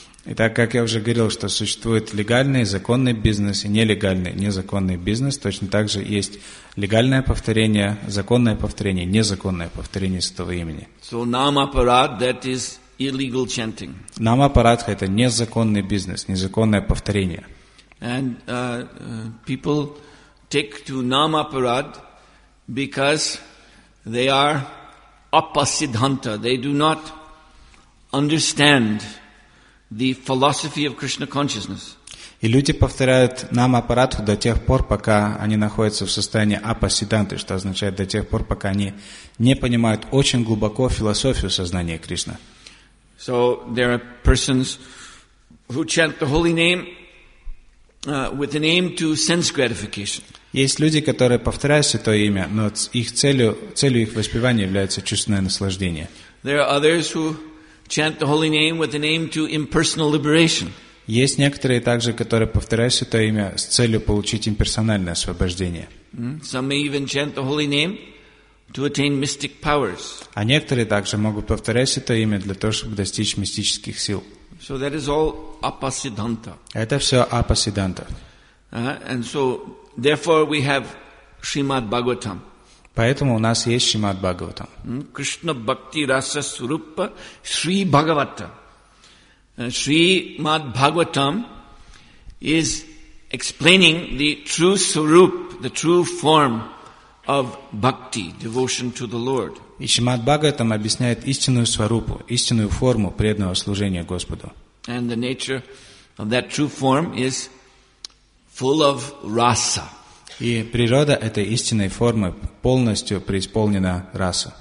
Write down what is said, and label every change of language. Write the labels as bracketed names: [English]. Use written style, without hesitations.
[Russian] Итак, как я уже говорил, что существует легальный, законный бизнес и нелегальный, незаконный бизнес. Точно так же есть легальное повторение, законное повторение, незаконное повторение святого имени. [English] So Namaparad, that is illegal chanting. [Russian] Намапарадха — это незаконный бизнес, незаконное повторение. [English] And people take to Namaparad because they are apasiddhanta. They do not understand the philosophy of Krishna consciousness. [Russian] И люди повторяют Намапарадху до тех пор, пока они находятся в состоянии апасиданты, что означает до тех пор, пока они не понимают очень глубоко философию сознания Кришны. [English] So there are persons who chant the holy name with an aim to sense gratification. [Russian] Есть люди, которые повторяют святое имя, но их целью их воспевания является чувственное наслаждение. [English] There are others who chant the holy name with an aim to impersonal liberation. [Russian] Есть некоторые также, которые повторяют святое имя с целью получить имперсональное освобождение. [English] Some may even chant the holy name to attain mystic powers. [Russian] А некоторые также могут повторять святое имя для того, чтобы достичь мистических сил. [English] So that is all apasiddhanta. [Russian] Это все апасиддханта. [English] And so therefore we have Srimad Bhagavatam. [Russian] Поэтому у нас есть Srimad Bhagavatam. [Sanskrit] Krishna Bhakti Rasa Swarupa Sri Bhagavata. [English] Srimad Bhagavatam is explaining the true swarup, the true form of bhakti, devotion to the Lord. [Russian] И Шримад Бхагаватам объясняет истинную сварупу, истинную форму преданного служения Господу. [English] And the nature of that true form is full of rasa. [Russian] И природа этой истинной формы полностью преисполнена раса.